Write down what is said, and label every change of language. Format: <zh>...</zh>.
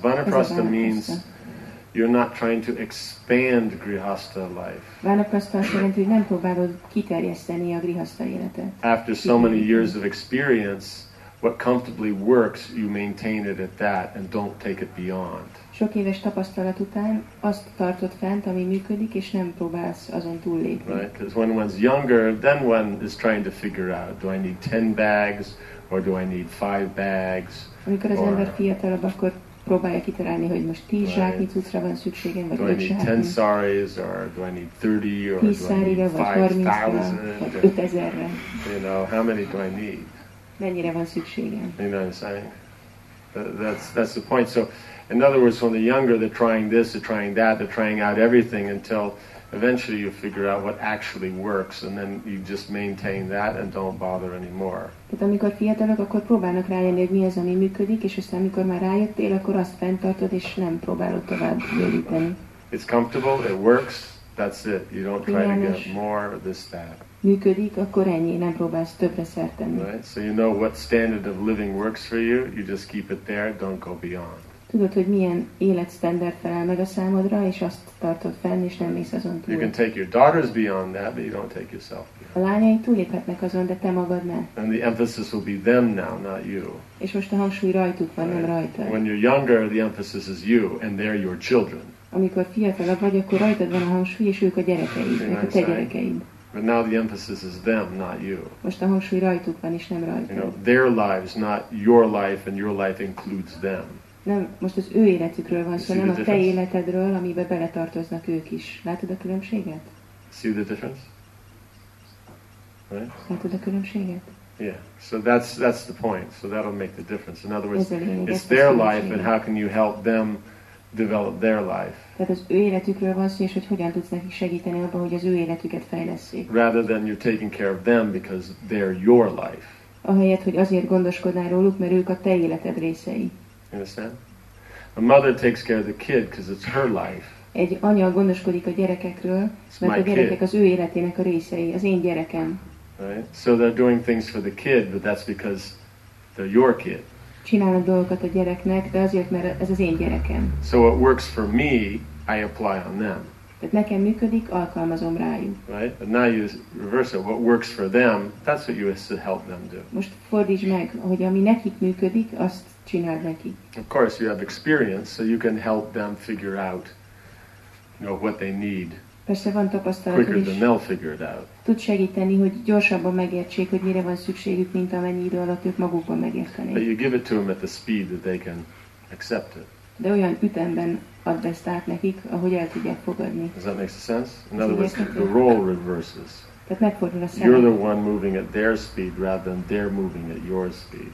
<en>Vanaprasztha means you're not trying to expand grihastha life.</en> <hu>Vanaprasztha azt jelenti, hogy nem próbálod kiterjeszteni a grihastha életet.</hu> <en>After so many years of experience, what comfortably works, you maintain it at that and don't take it beyond.</en> <hu>Sok éves tapasztalat után azt tartod fent, ami működik, és nem próbálsz azon túllépni.</hu> <en>Right, because when one's younger, then one is trying to figure out, do I need 10 bags, or do I need 5 bags?</en> <hu>Amikor az ember fiatalabb, akkor próbálja kitalálni, hogy most 10 zsáknyi cuccra van szükségem, vagy 5 zsáknyi.</hu> <en>Do I need 10 saris, or do I need 30, or do I need 5,000?</en> <hu>5,000-re.</hu> <en>You know, how many do I need?</en> <hu>Mennyire van szükségem?</hu> <en>You know what I'm saying? That's the point. So, in other words, when the younger, they're trying this, they're trying that, they're trying out everything until eventually you figure out what actually works, and then you just maintain that and don't bother anymore.</en> <hu>Tehát amikor fiatalok, akkor próbálnak rájönni, hogy mi az, ami működik, és aztán amikor már rájöttél, akkor azt fenntartod, és nem próbálod tovább bővíteni.</hu> <en>It's comfortable, it works, that's it. You don't try to get more of this, that.</en> <hu>Működik, akkor ennyi, nem próbálsz többre szertenni.</hu> <en>Right? So you know what standard of living works for you, you just keep it there, don't go beyond.</en> <hu>Tudod, hogy milyen életsztenderd felel meg a számodra, és azt tartod fenn, és nem mész azon túl.</hu> <en>You can take your daughters beyond that, but you don't take yourself beyond.</en> <hu>A lányai túléphetnek azon, de te magad ne.</hu> <en>And the emphasis will be them now, not you.</en> <hu>És most a hangsúly rajtuk van, right? Nem rajta.</hu> <en>When you're younger, the emphasis is you, and they're your children.</en> <hu>Amikor fiatalabb vagy, akkor rajtad van a hangsúly, és ők a gyerekeid, ők a te gyerekeid.</hu> <en>But now the emphasis is them, not you.</en> <hu>Most a hangsúly rajtuk van, és nem rajtad.</hu> <en>You know, their lives, not your life, and your life includes them.</en> <hu>Nem, most az ő életükről van szó, nem a te életedről, amibe beletartoznak ők is. Látod a különbséget?</hu> <en>See the difference? Right?</en> <hu>Látod a különbséget?</hu> <en>Yeah, so that's the point. So that'll make the difference. In other words, it's their life, and how can you help them develop their life?</en> <hu>Tehát az ő életükről van szó, és hogy hogyan tudsz nekik segíteni abban, hogy az ő életüket fejlesszék.</hu> <en>Rather than you're taking care of them because they're your life.</en> <hu>ahelyett, hogy azért gondoskodnál róluk, mert ők a te életed részei.</hu> <en>Understand? A mother takes care of the kid because it's her life.</en> <hu>Egy anya gondoskodik a gyerekekről, mert a gyerekek az ő életének a részei, az én gyerekem.</hu> <en>Right? So they're doing things for the kid, but that's because they're your kid.</en> <hu>Csinálnak dolgokat a gyereknek, de azért, mert ez az én gyerekem.</hu> <en>So what works for me, I apply on them.</en> <hu>Tehát nekem működik, alkalmazom rájuk.</hu> <en>Right? But now you reverse it. What works for them, that's what you have to help them do.</en> <hu>Most fordítsd meg, hogy ami nekik működik, azt csináld neki.</hu> <en>Of course, you have experience, so you can help them figure out, you know, what they need.</en> <hu>Persze van tapasztalatod,</hu> <en>quicker than they'll figure it out.</en> <hu>Tud segíteni, hogy gyorsabban megértsék, hogy mire van szükségük, mint amennyi idő alatt ők magukban megértenék.</hu> <en>But you give it to them at the speed that they can accept it.</en> <hu>De olyan ütemben add ezt át nekik, ahogy el tudják fogadni.</hu> <en>Does that make sense? In other words, the role reverses.</en> <hu>Tehát megfordul a szerep.</hu> <en>You're the one moving at their speed rather than they're moving at your speed.</en>